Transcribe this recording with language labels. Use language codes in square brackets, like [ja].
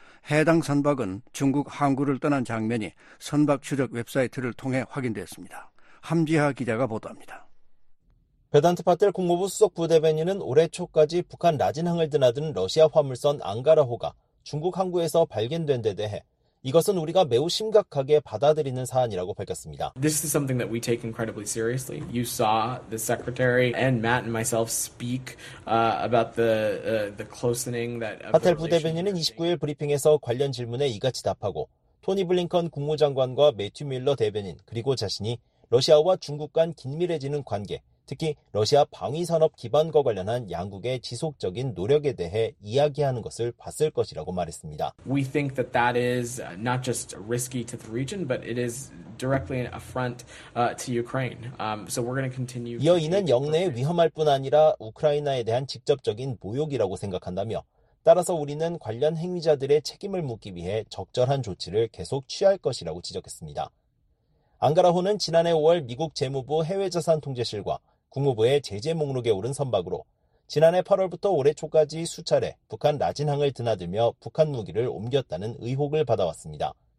[ko] 해당 선박은 중국 항구를 떠난 장면이 선박 추적 웹사이트를 통해 확인됐습니다. 함지하 기자가 보도합니다. 베단트 파텔 국무부 수석 부대변인은 올해 초까지 북한 라진항을 드나든 러시아 화물선 앙가라호가 중국 항구에서 발견된 데 대해 이것은 우리가 매우 심각하게 받아들이는 사안이라고 밝혔습니다. [en] This is something that we take incredibly seriously. You saw the secretary and Matt and myself speak about the closening that [ko] 파텔 부대변인은 29일 브리핑에서 관련 질문에 이같이 답하고 토니 블링컨 국무장관과 매튜 밀러 대변인 그리고 자신이 러시아와 중국 간 긴밀해지는 관계 특히 러시아 방위산업 기반과 관련한 양국의 지속적인 노력에 대해 이야기하는 것을 봤을 것이라고 말했습니다. [en] We think that that is not just risky to the region, but it is directly an affront to Ukraine. So we're going to continue. [ko] 이어 이는 영내에 위험할 뿐 아니라 우크라이나에 대한 직접적인 모욕이라고 생각한다며 따라서 우리는 관련 행위자들의 책임을 묻기 위해 적절한 조치를 계속 취할 것이라고 지적했습니다. 앙가라호는 지난해 5월 미국 재무부 해외자산통제실과 국무부의 제재 목록에 오른 선박으로 지난해 8월부터 올해 초까지 수차례 북한 라진항을 드나들며 북한 무기를 옮겼다는 의혹을 받아왔습니다.